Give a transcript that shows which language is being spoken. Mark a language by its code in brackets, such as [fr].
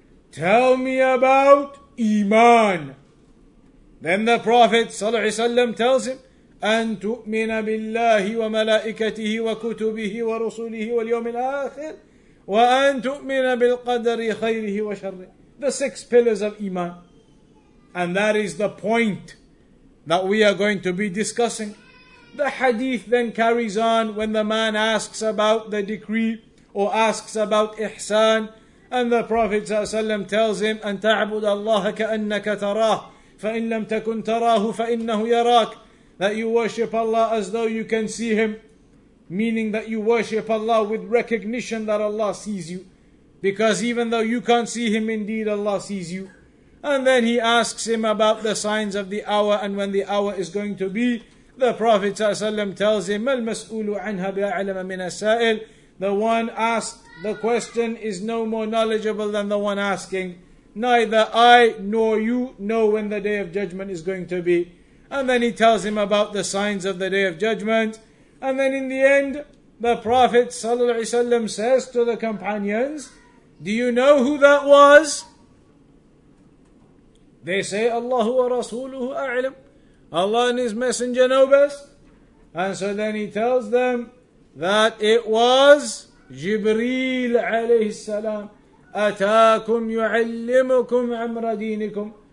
[en] Tell me about Iman. Then the Prophet sallallahu alaihi wasallam tells him, [ar] أن تؤمن بالله وملائكته وكتبه ورسوله واليوم الآخر وأن تؤمن بالقدر خيره وشره. [en] The six pillars of Iman. And that is the point that we are going to be discussing. The hadith then carries on when the man asks about the decree or asks about Ihsan. And the Prophet ﷺ tells him, [ar] أن تعبد الله كأنك تراه فإن لم تكن تراه فإنه يراك. [en] That you worship Allah as though you can see Him. Meaning that you worship Allah with recognition that Allah sees you. Because even though you can't see Him, indeed Allah sees you. And then he asks him about the signs of the hour and when the hour is going to be. The Prophet ﷺ tells him, [ar] مَا الْمَسْؤُولُ عَنْهَا بِأَعْلَمَ مِنَ السَّائِلِ. [en] The one asked the question is no more knowledgeable than the one asking. Neither I nor you know when the day of judgment is going to be. And then he tells him about the signs of the day of judgment. And then in the end, the Prophet ﷺ says to the companions, do you know who that was? They say, [ar] Allah wa Rasuluhu a'lam. [en] Allah and His Messenger know best. And so then he tells them that it was [ar] جبريل عليه السلام أتاكم يعلمكم أمر دينكم.